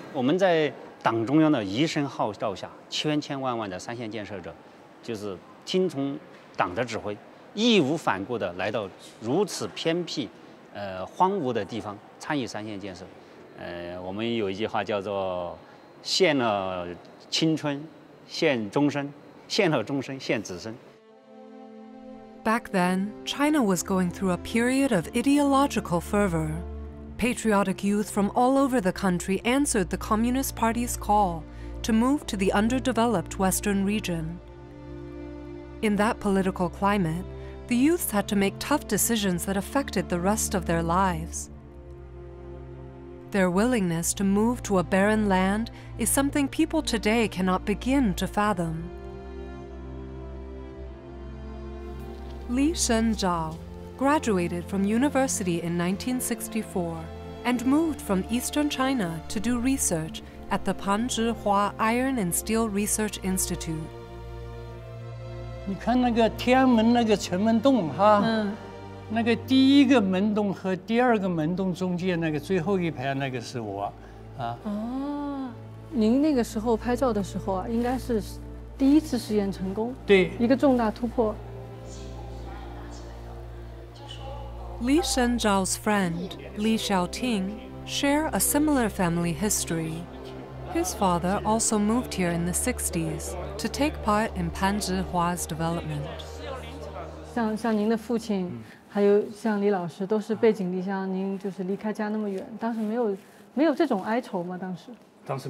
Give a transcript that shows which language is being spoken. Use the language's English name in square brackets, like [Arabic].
[Chinese] 我们在党中央的一声号召下，千千万万的三线建设者，就是听从党的指挥，义无反顾地来到如此偏僻、荒芜的地方参与三线建设。我们有一句话叫做“献了青春，献终身；献了终身，献子孙。” [English] Back then, China was going through a period of ideological fervor. Patriotic youth from all over the country answered the Communist Party's call to move to the underdeveloped Western region. In that political climate, the youths had to make tough decisions that affected the rest of their lives. Their willingness to move to a barren land is something people today cannot begin to fathom. Li Shen Zhao graduated from university in 1964 and moved from eastern China to do research at the Panzhihua Iron and Steel Research Institute. [Chinese] 你看那个天安门那个城门洞哈，那个第一个门洞和第二个门洞中间那个最后一排那个是我，您那个时候拍照的时候啊，应该是第一次试验成功，对，一个重大突破。 [English] Li Shenzhao's friend Li Xiaoting share a similar family history. His father also moved here in the 60s. To take part in Panzhihua's development. [Chinese] 像您的父亲、还有像李老师都是背井离乡，您就是离开家那么远，当时没有这种哀愁吗？当时